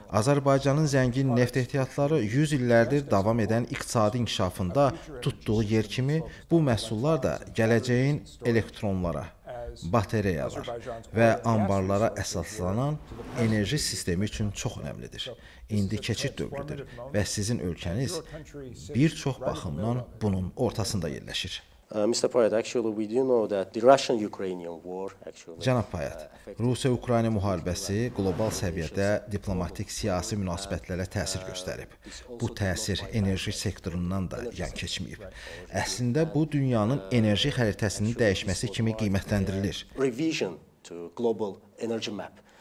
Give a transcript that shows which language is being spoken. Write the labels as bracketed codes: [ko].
[az] Azərbaycanın zəngin neft ehtiyatları 100 illərdir davam edən iqtisadi inkişafında tutduğu yer kimi, bu məhsullar da gələcəyin elektronlara, bateriyalar və ambarlara əsaslanan enerji sistemi üçün çox önəmlidir. İndi keçid dövrüdür və sizin ölkəniz bir çox baxımdan bunun ortasında yerləşir. [en] Mr. Payet, actually we do know that the Russian-Ukrainian war actually. [az] Cənab Payet, Rusiya-Ukrayna müharibəsi qlobal səviyyədə diplomatik siyasi münasibətlərə təsir göstərib. Bu təsir enerji sektorundan da yan keçməyib. Əslində bu dünyanın enerji xəritəsinin dəyişməsi kimi qiymətləndirilir. [en] Revision to global energy map.